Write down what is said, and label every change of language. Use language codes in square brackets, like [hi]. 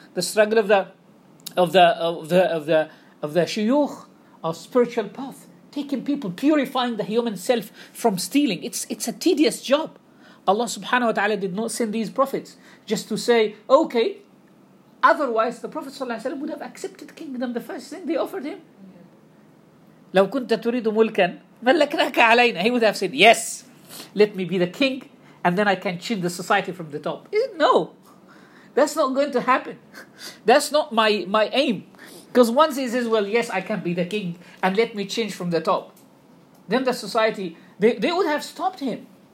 [en] The struggle of the shuyukh, of spiritual path. Taking people, purifying the human self from stealing. It's a tedious job. Allah subhanahu wa ta'ala did not send these prophets just to say, okay, otherwise the Prophet sallallahu alayhi wa sallam would have accepted the kingdom the first thing they offered him. [ar] لو كنت تريد ملكا ملكناك علينا. [en] He would have said, yes, let me be the king and then I can change the society from the top. No, that's not going to happen. That's not my aim. Because once he says, well, yes, I can be the king and let me change from the top, then the society, they would have stopped him.